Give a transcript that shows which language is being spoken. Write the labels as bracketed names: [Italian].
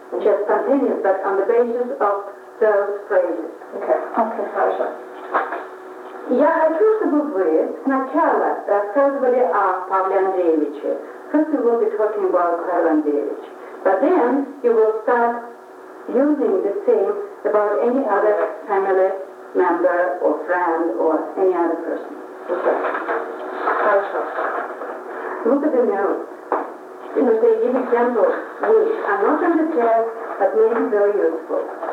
[English] Just continue, but on the basis of those phrases. Okay. [Russian] Хорошо. Я хочу, чтобы вы сначала рассказывали о Павле Андреевиче. [English] First you will be talking about Павел Андреевич. But then you will start using the same about any other family member or friend or any other person. Okay. [Russian] Хорошо. [English] Look at the notes. [Russian] Потому что один [English] example which are not on the test, but maybe very useful.